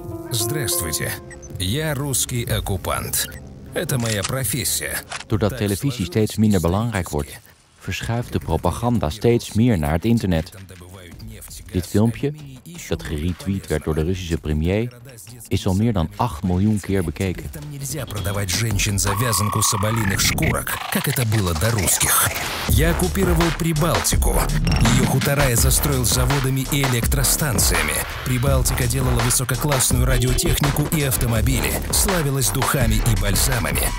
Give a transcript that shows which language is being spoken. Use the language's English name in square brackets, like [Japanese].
[Russian] Здравствуйте, я русский оккупант. Это моя профессия. [Dutch] Doordat televisie steeds minder belangrijk wordt, verschuift de propaganda steeds meer naar het internet. Dit filmpje, dat geretweet werd door de Russische premier, is al meer dan 8 miljoen keer bekeken. [Russian] Там нельзя продавать женщин за вязанку соболиных шкурок, как это было до русских. Я оккупировал Прибалтику. Ее хутора я застроил заводами и электростанциями. Прибалтика делала высококлассную радиотехнику и автомобили, славилась духами и бальзамами.